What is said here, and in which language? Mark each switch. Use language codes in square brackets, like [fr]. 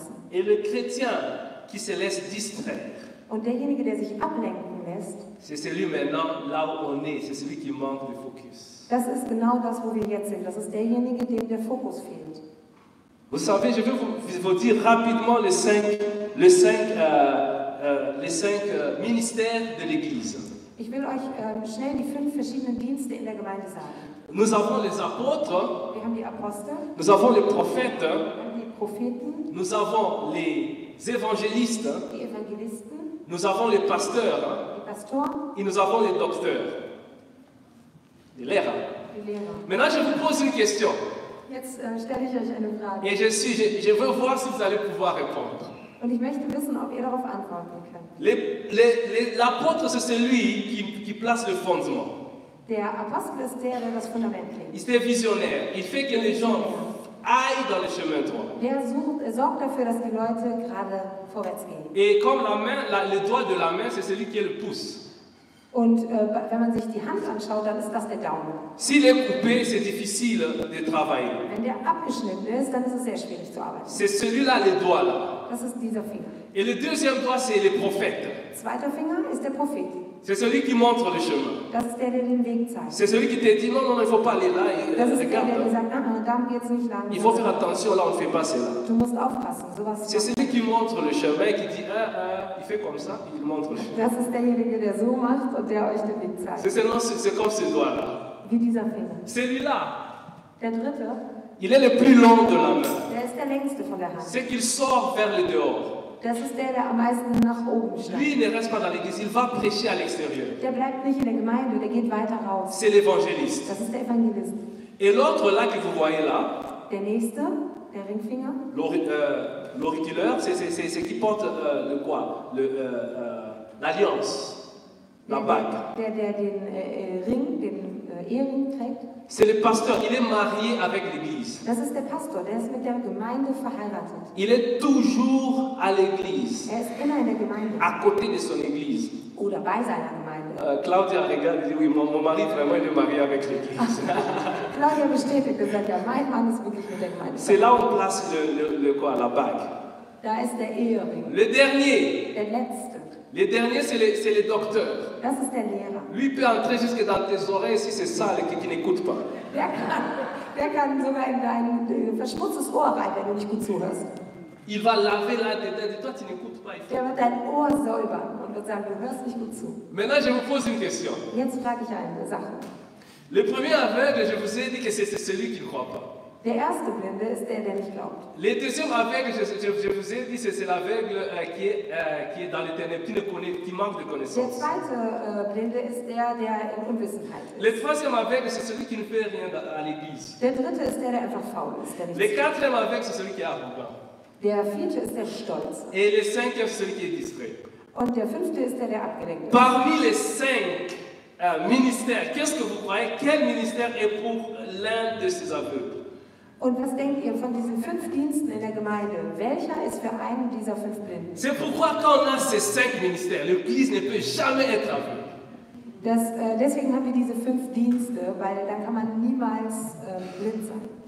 [fr] Et le chrétien qui se laisse distraire. [de] Und derjenige, der sich ablenken lässt, [fr] c'est celui maintenant là où on est, c'est celui qui manque de focus. [de] Das ist genau das, wo wir jetzt sind. Das ist derjenige, dem der Fokus fehlt. [fr] Vous savez, je vais vous dire rapidement les cinq ministères de l'Église. [de] Ich will euch schnell die fünf verschiedenen Dienste in der Gemeinde sagen. [fr] Nous avons les apôtres. [de] Wir haben die Apostel. [fr] Nous avons les prophètes. [de] Wir haben die Propheten. [fr] Nous avons les évangélistes. [de] Die Evangelisten. [fr] Nous avons les pasteurs. [de] Die Pastoren. [fr] Et nous avons les docteurs. [de] Les lehrer. Die Lehrer. [fr] Maintenant, je vous pose une question. [de] Jetzt stelle ich euch eine Frage. [fr] Et je veux voir si vous allez pouvoir répondre. [de] Und ich möchte wissen, ob ihr darauf antworten könnt. [fr] L'apôtre, c'est celui qui place le fondement. [de] Der Apostel ist der, der das Fundament legt. [fr] Il est visionnaire. Il fait que les gens aillent dans le chemin droit. [de] Der sorgt dafür, dass die Leute gerade vorwärts gehen. [fr] Et comme la main, le doigt de la main, c'est celui qui le pousse. [de] Und wenn man sich die Hand anschaut, dann ist das der Daumen. [fr] S'il est coupé, c'est difficile de travailler. [de] Wenn der abgeschnitten ist, dann ist es sehr schwierig zu arbeiten. [fr] C'est celui-là, le doigt là. [de] Das ist dieser Finger. [fr] Et le deuxième doigt, c'est le prophète. [de] Zweiter Finger ist der Prophet. [fr] C'est celui qui montre le chemin. [de] Das ist der den Weg zeigt. [fr] C'est celui qui te dit non, non, il ne faut pas aller là. [de] Das ist der, der sagt, nein, nein, da geht's nicht lang. [fr] Il faut faire attention, là, on ne fait pas cela. [de] Du musst aufpassen, sowas. [fr] C'est celui qui montre le chemin et qui dit, il fait comme ça, il montre le chemin. [de] Das ist derjenige, der so macht und der euch den Weg zeigt. [fr] C'est comme ce doigt-là. [de] Wie dieser Finger. [fr] Celui-là. [de] Der dritte. [fr] Il est le plus long de la main. [de] Der ist der längste von der Hand. [fr] C'est qu'il sort vers le dehors. [de] Das ist der, der am meisten nach oben steigt. [fr] Lui ne reste pas dans l'église, il va prêcher à l'extérieur. [de] Der bleibt nicht in der Gemeinde, der geht weiter raus. [fr] C'est l'évangéliste. [de] Das ist der Evangelist. [fr] Et l'autre là que vous voyez là. [de] Der nächste, der Ringfinger. [fr] L'auriculeur, c'est qui porte le quoi? L'alliance. La bague. [de] Den Ehering trägt. [fr] C'est le pasteur, il est marié avec l'église. [de] Das ist der Pastor, der ist mit der Gemeinde verheiratet. [fr] Il est toujours à l'église. [de] Er ist immer in der Gemeinde. [fr] À côté de son église. [de] Oder bei seiner Gemeinde. [fr] Claudia regarde, dit oui, mon mari vraiment il est marié avec l'église. [de] Claudia bestätigt, gesagt, ja, mein Mann ist wirklich mit der Gemeinde. [fr] C'est là où on place le quoi, la bague. [de] Da ist der Ehering. [fr] Le dernier. [de] Der letzte. [fr] Le dernier, c'est le docteur. [de] Das ist der Lehrer. [fr] Lui peut entrer jusque dans tes oreilles si c'est sale que tu n'écoutes pas. [de] Der kann sogar in dein verschmutztes Ohr rein, wenn du nicht gut zuhörst. [fr] Il va laver là-dedans, de toi tu n'écoutes pas. [de] Der wird dein Ohr säubern und wird sagen, du hörst nicht gut zu. [fr] Maintenant, je vous pose une question. [de] Jetzt frage ich eine Sache. [fr] Le premier aveugle, je vous ai dit que c'est celui qui ne croit pas. [de] Der erste Blinde ist der, der nicht glaubt. [fr] Le deuxième aveugle, je vous ai dit, c'est l'aveugle qui est dans les ténèbres, qui ne connaît, qui manque de connaissance. [de] Der zweite Blinde ist der, der in Unwissenheit ist. [fr] Le troisième aveugle, c'est celui qui ne fait rien à l'église. [de] Der dritte ist der, der einfach faul ist, der nicht. [fr] Le quatrième aveugle, c'est celui qui est arrogant. [de] Der vierte ist der stolz. [fr] Et le cinquième, c'est celui qui est distrait. [de] Und der fünfte ist der, der abgelenkt ist. [fr] Parmi les cinq ministères, qu'est-ce que vous croyez? Quel ministère est pour l'un de ces aveugles? [de] Und was denkt ihr von diesen fünf Diensten in der Gemeinde? Welcher ist für einen dieser fünf Blinden? [fr] C'est pourquoi quand on a ces cinq ministères, l'Église ne peut jamais être aveugle. [de] Deswegen haben wir diese fünf Dienste, weil da kann man niemals blind sein.